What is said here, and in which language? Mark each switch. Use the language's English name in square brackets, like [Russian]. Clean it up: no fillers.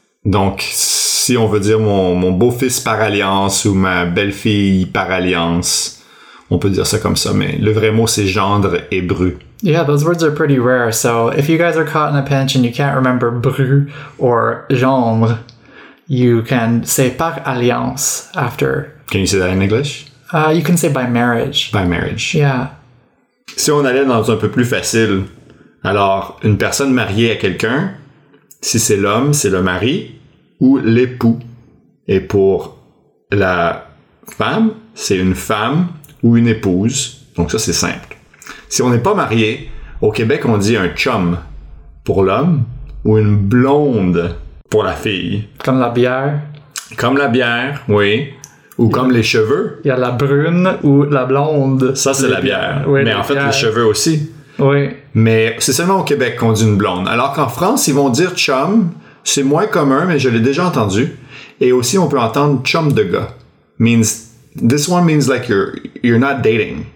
[French] Donc, si on veut dire mon beau-fils par alliance ou ma belle-fille par alliance, on peut dire ça comme ça, mais le vrai mot, c'est gendre et bru. [English] Yeah, those words are pretty rare. So, if you guys are caught in a pinch and you can't remember bru or gendre, you can say par alliance after... Can you say that in English? You can say by marriage. By marriage. Yeah. [French] Si on allait dans un peu plus facile, alors une personne mariée à quelqu'un, si c'est l'homme, c'est le mari ou l'époux. Et pour la femme, c'est une femme ou une épouse. Donc ça, c'est simple. Si on n'est pas marié, au Québec, on dit un chum pour l'homme ou une blonde pour la fille. Comme la bière. Comme la bière, oui. Ou comme les cheveux. Il y a la brune ou la blonde. Ça, c'est la bière. Oui, mais en fait, bières. Les cheveux aussi. Oui. Mais c'est seulement au Québec qu'on dit une blonde. Alors qu'en France, ils vont dire chum. C'est moins commun, mais je l'ai déjà entendu. Et aussi, on peut entendre chum de gars. [English] Means, this one means like you're not dating.